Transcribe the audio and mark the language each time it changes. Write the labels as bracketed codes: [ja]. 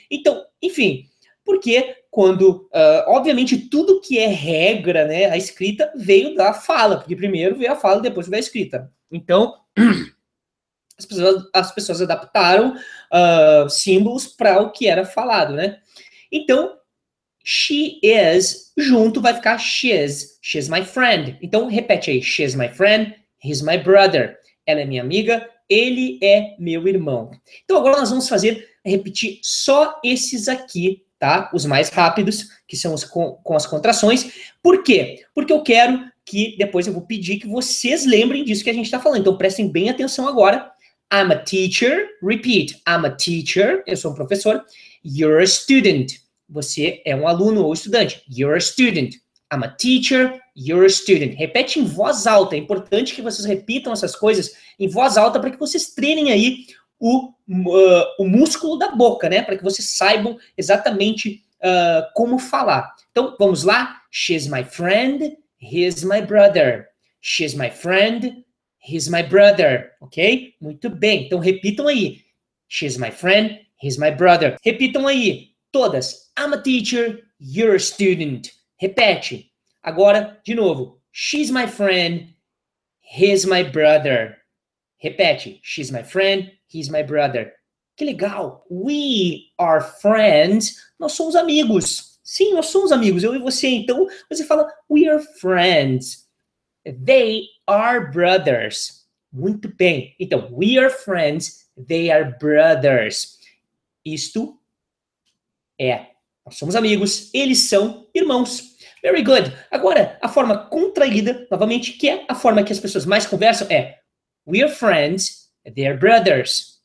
[pt] Então, enfim, porque quando, obviamente, tudo que é regra, né, a escrita, veio da fala. Porque primeiro veio a fala, depois veio a escrita. Então, as pessoas adaptaram símbolos para o que era falado, né? Então, [en] she is, [pt] junto vai ficar [en] she's my friend. [pt] Então, repete aí, [en] she's my friend, he's my brother. [pt] Ela é minha amiga, ele é meu irmão. Então, agora nós vamos fazer, repetir só esses aqui, tá? Os mais rápidos, que são os com as contrações. Por quê? Porque eu quero que depois eu vou pedir que vocês lembrem disso que a gente está falando. Então prestem bem atenção agora. [en] I'm a teacher. Repeat. I'm a teacher. [pt] Eu sou um professor. [en] You're a student. [pt] Você é um aluno ou estudante. [en] You're a student. I'm a teacher. You're a student. [pt] Repete em voz alta. É importante que vocês repitam essas coisas em voz alta para que vocês treinem aí o músculo da boca, né? Para que vocês saibam exatamente como falar. Então, vamos lá. [en] She's my friend, he's my brother. She's my friend, he's my brother. Ok? [pt] Muito bem. Então, repitam aí. [en] She's my friend, he's my brother. [pt] Repitam aí. Todas. [en] I'm a teacher, you're a student. [pt] Repete. Agora, de novo. [en] She's my friend, he's my brother. [pt] Repete. [en] She's my friend, he's my brother. [pt] Que legal. [en] We are friends. [pt] Nós somos amigos. Sim, nós somos amigos. Eu e você. Então, você fala, [en] we are friends. They are brothers. [pt] Muito bem. [en] Então, we are friends. They are brothers. [pt] Isto é. Nós somos amigos. Eles são irmãos. [en] Very good. [pt] Agora, a forma contraída, novamente, que é a forma que as pessoas mais conversam, é [en] We're friends, they're brothers.